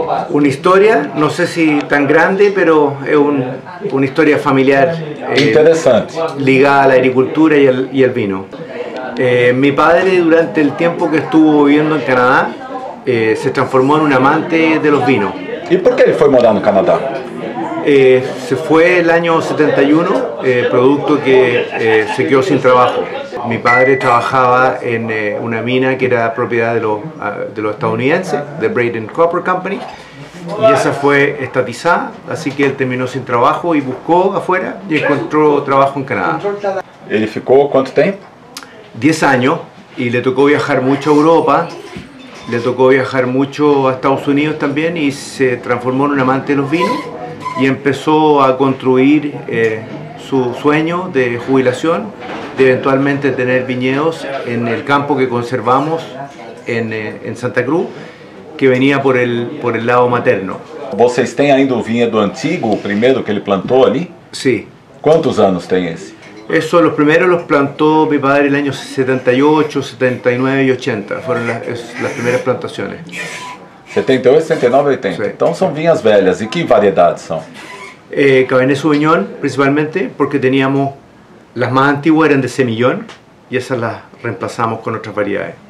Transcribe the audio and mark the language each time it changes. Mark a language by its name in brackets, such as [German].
[Portuguese] Uma história, não sei se tão grande, mas é uma história familiar. Interessante. Ligada à agricultura e ao vinho. Meu pai, durante o tempo que [Spanish] estuvo viviendo [Portuguese] em Canadá, se transformou em um [Spanish] amante de los vinos. [Portuguese] E por que ele foi morar no Canadá? [Spanish] Se fue el año 71, producto que se quedó sin trabajo. Mi padre trabajaba en una mina que era propiedad de los estadounidenses, de Braden Copper Company, y esa fue estatizada, así que él terminó sin trabajo y buscó afuera y encontró trabajo en Canadá. ¿Él [Portuguese] ficó [Spanish] cuánto tiempo? 10 años, y le tocó viajar mucho a Europa, le tocó viajar mucho a Estados Unidos también, y se transformó en un amante de los vinos. Y empezó a construir su sueño de jubilación, de eventualmente tener viñedos en el campo que conservamos en Santa Cruz, que venía por el lado materno. [Portuguese] ¿Vocês têm ainda o vinhedo antigo, o primeiro que ele plantou ali? [Spanish] Sí. ¿Cuántos años [Portuguese] tem [Spanish] ese? Eso, los primeros los plantó mi padre en el año 78, 79 y 80. Fueron las primeras plantaciones. 78, 79, 80. Sí. Entonces son [Portuguese] vinhas velhas. [Spanish] ¿Y qué variedades son? Cabernet Sauvignon, principalmente, porque teníamos las más antiguas eran de semillón y esas las reemplazamos con otras variedades.